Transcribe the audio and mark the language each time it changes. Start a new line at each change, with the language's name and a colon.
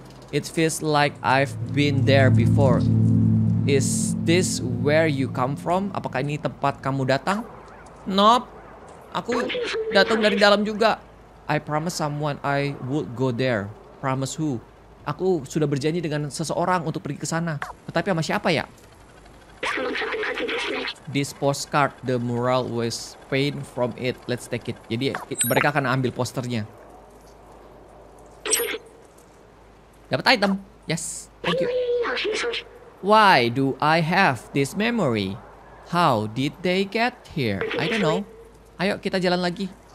English: It feels like I've been there before. Is this where you come from?
Indonesian: Apakah ini tempat kamu datang? Nope. Aku datang dari dalam juga.
English: I promise someone I would go there. Promise who?
Indonesian: Aku sudah berjanji dengan seseorang untuk pergi ke sana. Tetapi sama siapa ya?
English: This postcard, the mural was painted from it. Let's take it.
Indonesian: Jadi mereka akan ambil posternya. Dapat item.
English: Yes. Thank you. Why do I have this memory? How did they get here? I don't know.
Indonesian: Ayo kita jalan lagi.